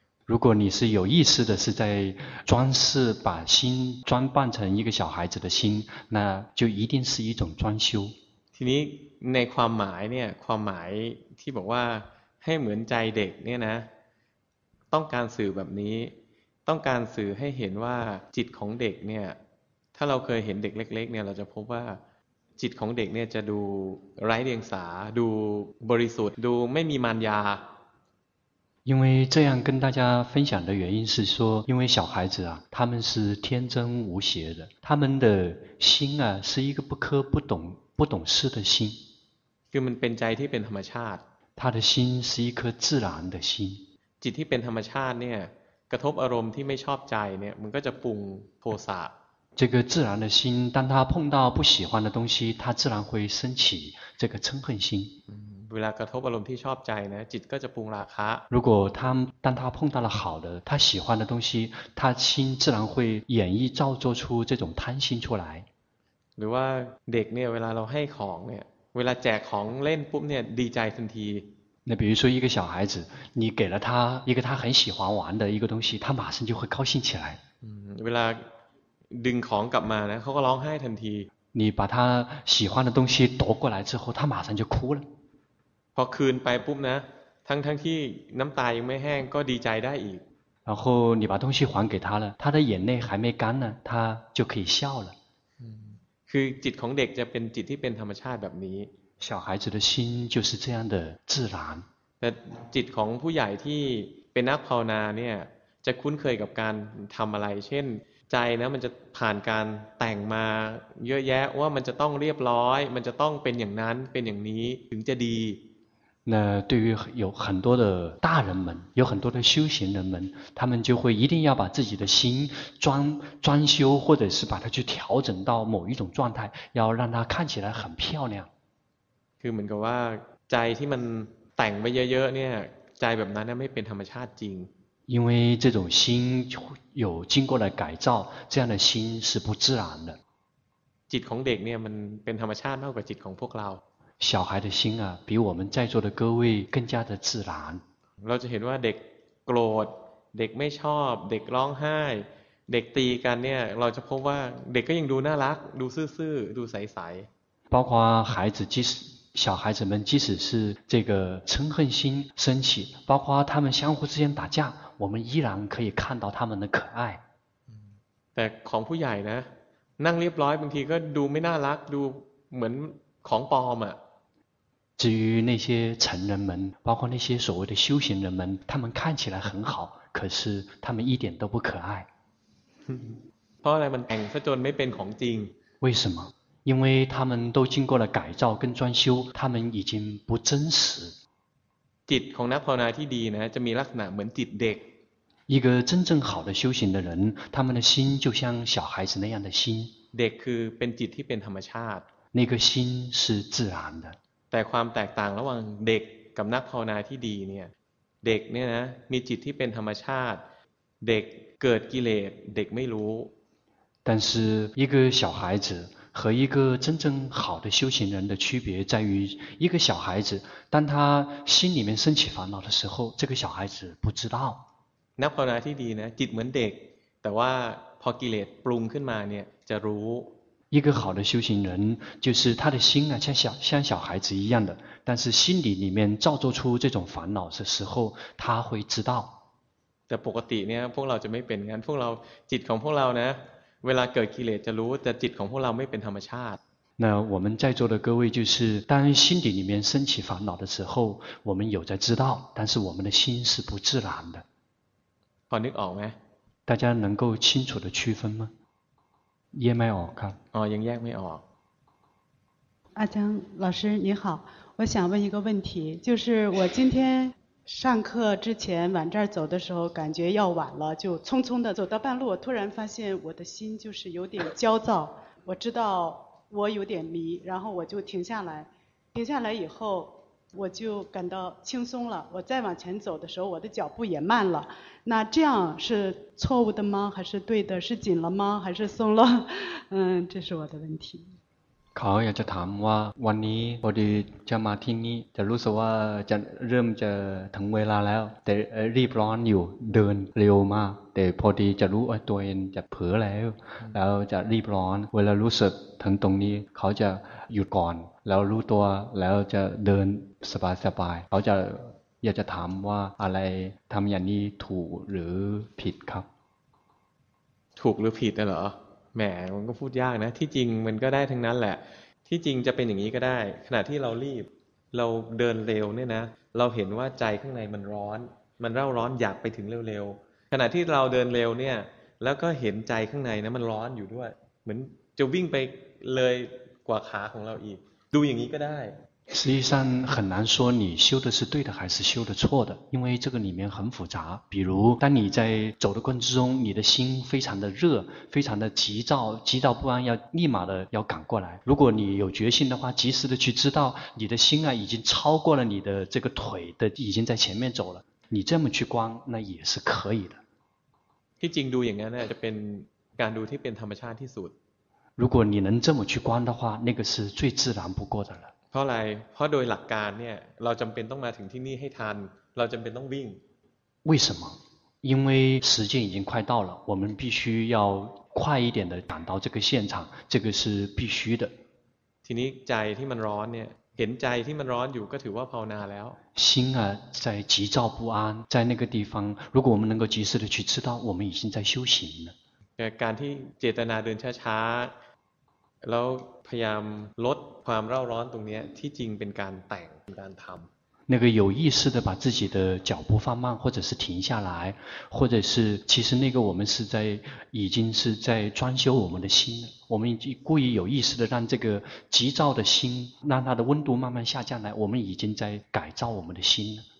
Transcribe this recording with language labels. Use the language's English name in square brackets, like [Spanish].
[Chinese] 如果你是有意识的是在装饰把心装扮成一个小孩子的心那就一定是一种装修 [Thai] ทีนี้ในความหมายเนี่ยความหมายที่บอกว่าให้เหมือนใจเด็กเนี่ยนะต้องการสื่อแบบนี้ต้องการสื่อให้เห็นว่าจิตของเด็กเนี่ยถ้าเราเคยเห็นเด็กเล็กๆเนี่ยเราจะพบว่าจิตของเด็กเนี่ยจะดูไร้เดียงสาดูบริสุทธิ์ดูไม่มีมารยา [Chinese] 因为这样跟大家分享的原因是说因为小孩子啊他们是天真无邪的他们的心啊是一个不科不懂不懂事的心 [Thai] คือมันเป็นใจที่เป็นธรรมชาติ [Chinese] 他的心是一颗自然的心 [Thai] จิตที่เป็นธรรมชาติเนี่ยกระทบอารมณ์ที่ไม่ชอบใจเนี่ยมันก็จะปรุงโทสะ [Chinese] 这个自然的心当他碰到不喜欢的东西他自然会升起这个嗔恨心 [Thai] เวลากระทบอารมณ์ที่ชอบใจนะจิตก็จะปรุงราคะ [Chinese] 如果他当他碰到了好的他喜欢的东西他心自然会演绎造作出这种贪心出来 [Thai] หรือว่าเด็กเนี่ยเวลาเราให้ของเนี่ยเวลาแจกของเล่นปุ๊บเนี่ยดีใจทันที [Chinese] 那比如说一个小孩子你给了他一个他很喜欢玩的一个东西他马上就会高兴起来 [Thai] เวลาดึงของกลับมานะเขาก็ร้องไห้ทันที [Chinese] 你把他喜欢的东西夺过来之后他马上就哭了 [Thai] พอคืนไปปุ๊บนะทั้งที่น้ำตายังไม่แห้งก็ดีใจได้อีก [Chinese] 然后你把东西还给他了他的眼泪还没干呢他就可以笑了 [Thai] คือจิตของเด็กจะเป็นจิตที่เป็นธรรมชาติแบบนี้ [Chinese] 小孩子的心就是这样的自然 [Thai] แต่จิตของผู้ใหญ่ที่เป็นนักภาวนาเนี่ยจะคุ้นเคยกับการทำอะไรเช่นใจนะมันจะผ่านการแต่งมาเยอะแยะว่ามันจะต้องเรียบร้อยมันจะต้องเป็นอย่างนั้นเป็นอย่างนี้ถึงจะดี [Chinese] 那对于有很多的大人们有很多的修行人们他们就会一定要把自己的心装修或者是把它去调整到某一种状态要让它看起来很漂亮 [Thai] คือเหมือนกับว่าใจที่มันแต่งไปเยอะๆเนี่ยใจแบบนั้นไม่เป็นธรรมชาติจริง [Chinese] 因为这种心有经过了改造这样的心是不自然的 [Thai] จิตของเด็กเนี่ยมันเป็นธรรมชาติมากกว่าจิตของพวกเรา [Chinese] 小孩的心啊比我们在座的各位更加的自然 [Thai] เราจะเห็นว่าเด็กโกรธเด็กไม่ชอบเด็กร้องไห้เด็กตีกันเนี่ยเราจะพบว่าเด็กก็ยังดูน่ารักดูซื่อๆดูใส [Chinese] ๆ包括孩子即使小孩子们即使是这个嗔恨心升起包括他们相互之间打架我们依然可以看到他们的可爱 [Thai] แต่ของผู้ใหญ่นะนั่งเรียบร้อยบางทีก็ดูไม่น่ารักดูเหมือนของปลอมอ่ะ [Chinese] 至于那些成人们包括那些所谓的修行人们他们看起来很好可是他们一点都不可爱 [Thai] เพราะอะไรมันแต่งซะจนไม่เป็นของจริง [Chinese] 为什么因为他们都经过了改造跟装修他们已经不真实 [Thai] จิตของนักภาวนาที่ดีนะจะมีลักษณะเหมือนจิตเด็ก [Chinese] 一个真正好的修行的人他们的心就像小孩子那样的心 [Thai] เด็กคือเป็นจิตที่เป็นธรรมชาติ [Chinese] 那个心是自然的 [Thai] แต่ความแตกต่างระหว่างเด็กกับนักภาวนาที่ดีเนี่ยเด็กเนี่ยนะมีจิตที่เป็นธรรมชาติเด็กเกิดกิเลสเด็กไม่รู้ [Chinese] 但是一个小孩子和一个真正好的修行人的区别在于一个小孩子当他心里面升起烦恼的时候这个小孩子不知道 [Thai] นักภาวนาที่ดีนะจิตเหมือนเด็กแต่ว่าพอกิเลสปรุงขึ้นมาเนี่ยจะรู้ [Chinese] 一个好的修行人就是他的心啊像小孩子一样的但是心里面造作出这种烦恼的时候他会知道 [Thai] แต่ปกติเนี่ยพวกเราจะไม่เป็นงั้นพวกเราจิตของพวกเรานะเวลาเกิดกิเลสจะรู้แต่จิตของพวกเราไม่เป็นธรรมชาติ [Chinese] 那我们在座的各位就是当心底里面升起烦恼的时候我们有在知道但是我们的心是不自然的 [Thai] พอนึกออกไหม [Chinese] 大家能够清楚的区分吗 [Thai] แยกไม่ออกครับ อ๋อยังแยกไม่ออก [Chinese] อาจารย์老师你好我想问一个问题就是我今天上课之前往这儿走的时候感觉要晚了就匆匆的走到半路我突然发现我的心就是有点焦躁我知道我有点迷然后我就停下来停下来以后我就感到轻松了，我再往前走的时候我的脚步也慢了，那这样是错误的吗？还是对的？是紧了吗？还是松了？这是我的问题。 [Thai] เขาอยากจะถามว่าวันนี้พอดีจะมาที่นี้จะรู้สึกว่าจะเริ่มจะถึงเวลาแล้วแต่รีบร้อนอยู่เดินเร็วมากแต่พอดีจะรู้ว่าตัวเองจะเผลอแล้วแล้วจะรีบร้อนเวลารู้สึกถึงตรงนี้เขาจะหยุดก่อนแล้วรู้ตัวแล้วจะเดินสบายๆเขาจะอยากจะถามว่าอะไรทำอย่างนี้ถูกหรือผิดครับ ถูกหรือผิดเหรอแหมมันก็พูดยากนะที่จริงมันก็ได้ทั้งนั้นแหละที่จริงจะเป็นอย่างนี้ก็ได้ขณะที่เรารีบเราเดินเร็วเนี่ยนะเราเห็นว่าใจข้างในมันร้อนมันเร่าร้อนอยากไปถึงเร็วๆขณะที่เราเดินเร็วเนี่ยแล้วก็เห็นใจข้างในนะมันร้อนอยู่ด้วยเหมือนจะวิ่งไปเลยกว่าขาของเราอีกดูอย่างนี้ก็ได้ [Chinese] 实际上很难说你修的是对的还是修的错的，因为这个里面很复杂。比如当你在走的过程之中，你的心非常的热，非常的急躁，急躁不安，要立马的要赶过来。如果你有决心的话，及时的去知道你的心啊已经超过了你的这个腿的，已经在前面走了，你这么去观那也是可以的。 [Thai] ที่จริงดูอย่างนั้นเนี่ยจะเป็นการดูที่เป็นธรรมชาติที่สุด。 [Chinese] 如果你能这么去观的话，那个是最自然不过的了。 [Thai] เพราะอะไรเพราะโดยหลักการเนี่ยเราจำเป็นต้องมาถึงที่นี่ให้ทันเราจำเป็นต้องวิ่ง [Chinese] 为什么因为时间已经快到了我们必须要快一点的赶到这个现场这个是必须的 [Thai] ทีนี้ใจที่มันร้อนเนี่ยเห็นใจที่มันร้อนอยู่ก็ถือว่าภาวนาแล้ว [Chinese] 心啊在急躁不安在那个地方如果我们能够及时的去知道我们已经在修行了 [Thai] การที่เจตนาเดินช้าช้าแล้วพยายามลดความเร่าร้อนตรงนี้ที่จริงเป็นการแต่งการทำ [Chinese] 那个有意识的把自己的脚步放慢或者是停下来或者是其实那个我们是在已经是在装修我们的心我们故意有意识的让这个急躁的心让它的温度慢慢下降来我们已经在改造我们的心